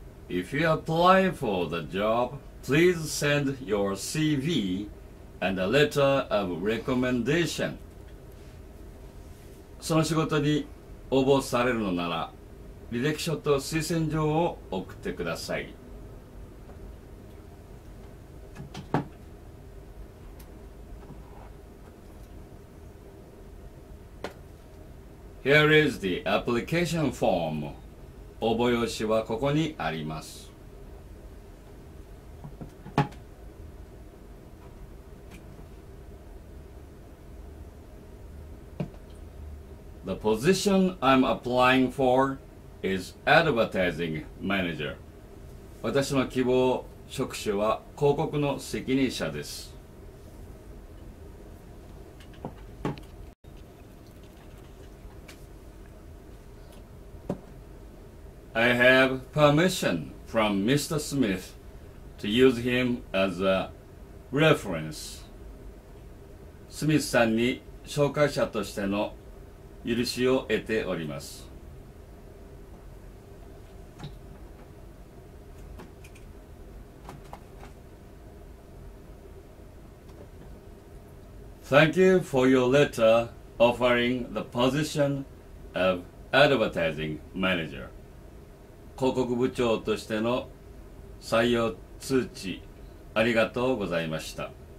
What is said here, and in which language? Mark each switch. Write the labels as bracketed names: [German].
[English] If you apply for the job, please send your CV and a letter of recommendation. [Japanese] その仕事に応募されるのなら、履歴書と推薦状を送ってください。 [English] Here is the application form. [Japanese] 応募用紙はここにあります。 [English] The position I'm applying for is advertising manager. [Japanese] 私の希望職種は広告の責任者です。 [English] I have permission from Mr. Smith to use him as a reference. [Japanese] スミスさんに紹介者としての許しを得ております。 [English] Thank you for your letter offering the position of advertising manager. [Japanese] 広告部長としての採用通知ありがとうございました。